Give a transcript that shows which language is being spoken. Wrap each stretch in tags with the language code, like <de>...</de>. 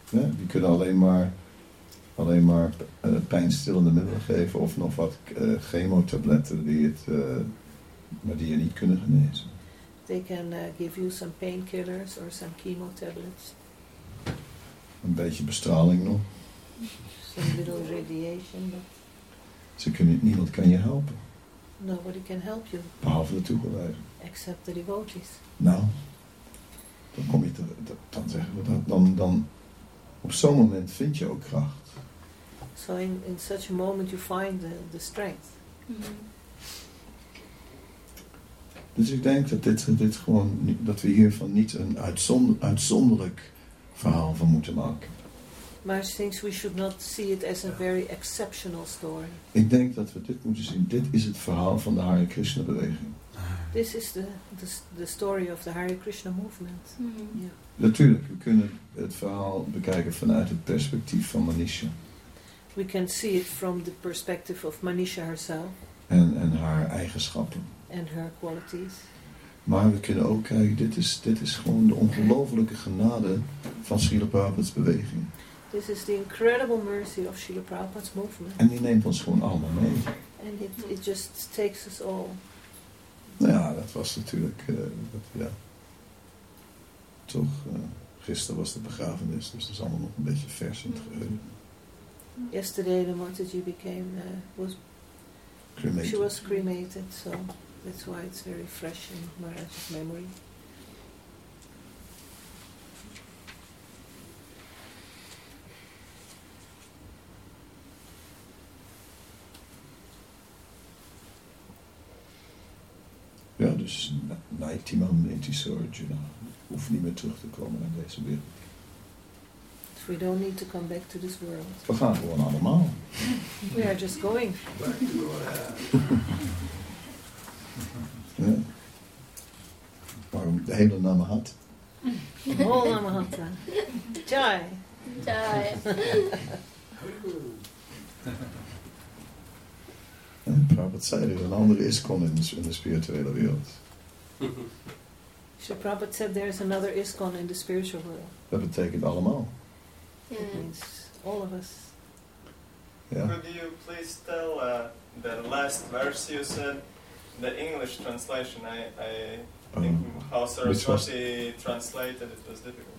<nl>Die kunnen alleen maar pijnstillende middelen geven of nog wat chemotabletten die je niet kunnen genezen.</nl> <en>They can give you some painkillers or some chemo tablets.</en> <nl>Een beetje bestraling nog.</nl> <en>Some little radiation, but.</en> <nl>Niemand kan je helpen.</nl> <en>Nobody can help you.</en> <nl>Behalve de toegewijden.</nl> <en>Except the devotees.</en> <nl>Nou, dan kom je dan zeggen we dat dan op zo'n moment vind je ook kracht.</nl> <en>So in such a moment you find the strength. Mm-hmm.</en> <nl>Dus ik denk dat dit gewoon, dat we hiervan niet een uitzonderlijk verhaal van moeten maken. Maar</nl> <en>I think we should not see it as a very exceptional story.</en> <nl>Ik denk dat we dit moeten zien. Dit is het verhaal van de Hare Krishna beweging.</nl> <en>This is the story of the Hare Krishna movement. Mm-hmm. Yeah.</en> <nl>Natuurlijk, we kunnen het verhaal bekijken vanuit het perspectief van Manisha.</nl> <en>We can see it from the perspective of Manisha herself.</en> <nl>En haar eigenschappen.</nl> <en>And her qualities.</en> <nl>Maar we kunnen ook kijken, dit is gewoon de ongelofelijke genade van Srila Prabhupada's beweging.</nl> <en>This is the incredible mercy of Srila Prabhupada's movement.</en> <nl>En die neemt ons gewoon allemaal mee.</nl> <en>And it just takes us all.</en> <nl>Nou ja, dat was natuurlijk, toch? Gisteren was de begrafenis, dus dat is allemaal nog een beetje vers in het geheugen.</nl> <en>Yesterday the Mataji became was cremated. She was cremated, so that's why it's very fresh in Maharaj's memory.</en> <nl>Ja, dus Naitiman Netiso Arjuna hoeft niet meer terug te komen naar deze wereld.</nl> <en>We don't need to come back to this world.</en> <nl>We gaan gewoon allemaal.</nl> <en>We are just going.</en> <nl>Ja. Waarom de hele Namahat? De hele Namahat. Jai. Jai. Prabhupada zei dat een andere ISKCON in de spirituele wereld.</nl> <en>So Prabhupada said there is another ISKCON in the spiritual world.</en> <nl>Dat betekent allemaal.</nl> <en>Yeah. It means all of us. Yeah. Could you please tell the last verse you said, the English translation? I think how Saraswati translated it was difficult.</en>